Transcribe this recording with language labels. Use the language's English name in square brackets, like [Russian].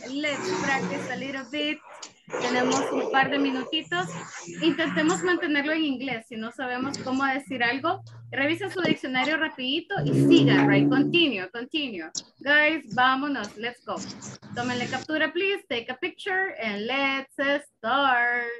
[English] Let's practice a little bit. [Spanish] Tenemos un par de minutitos. Intentemos mantenerlo en inglés. Si no sabemos cómo decir algo, revisa su diccionario rapidito y siga, [English] right? Continue, continue. Guys, vámonos. Let's go. [Spanish] Tómenle captura, please. [English] Take a picture and let's start.